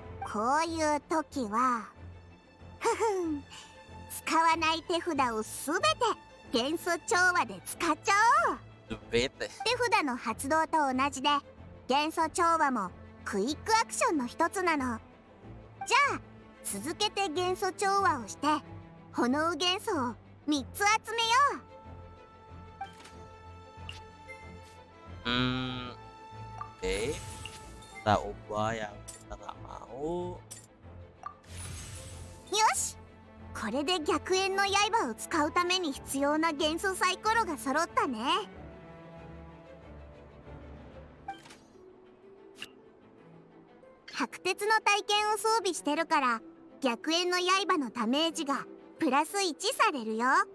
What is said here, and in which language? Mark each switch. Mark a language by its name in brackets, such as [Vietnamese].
[Japanese] こういう時は使わない手札をすべて元素調和で使っちゃおう。手札の発動と同じで元素調和もクイックアクションの一つなの。じゃあ続けて元素調和をして炎元素を3つ集めよう。 [Indonesian] Oke, kita ubah yang kita nggak mau. [Japanese] よし、これで逆炎の刃を使うために必要な元素サイコロが揃ったね。白鉄の体験を装備してるから逆炎の刃のダメージがプラス1されるよ。